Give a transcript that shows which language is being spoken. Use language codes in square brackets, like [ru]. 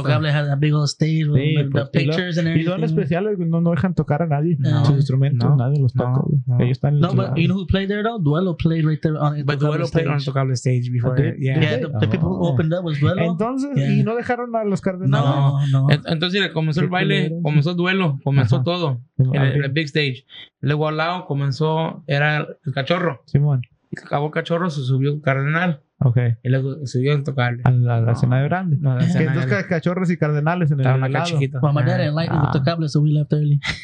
[en] Intocable had a big old stage with pictures and everything. [es] Y son especiales, no dejan tocar a nadie. No. Sus instrumentos, no. Nadie los toca. No. Ellos están en [en] No, but you know who played there at all? Duelo played right there on Intocable stage. But Duelo played on Intocable stage before. The people who opened up was Duelo. [es] Entonces, y no dejaron a los cardenales. No. Entonces, comenzó el baile, comenzó Duelo, comenzó todo en el [en] big stage. [es] Luego al lado comenzó, era el cachorro. Simón. Y acabó el cachorro, se subió el cardenal. Okay. Y luego subió a tocarle. A la escena de grande. No, que dos cachorros y cardenales en el lado. Estaban acá chiquitos. [en] Well, my dad didn't like with the cable, so we left early.